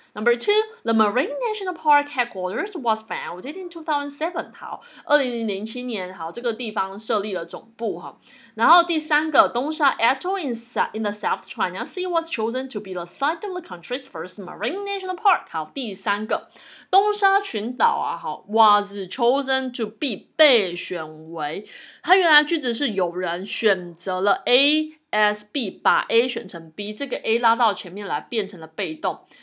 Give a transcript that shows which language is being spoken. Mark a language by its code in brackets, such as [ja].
[en] Number two, the Marine National Park headquarters was founded in 2007. [zh] 好，2007年，好，这个地方设立了总部哈。 [en] 然后第三个，东沙 Atoll in the South China Sea was chosen to be the site of the country's first Marine National Park. [zh] 好，第三个，东沙群岛啊，好 ， [en] was chosen to be [zh] 被选为，它原来句子是有人选择了 [en] A as B， [zh] 把 A 选成 B， 这个 A 拉到前面来变成了被动，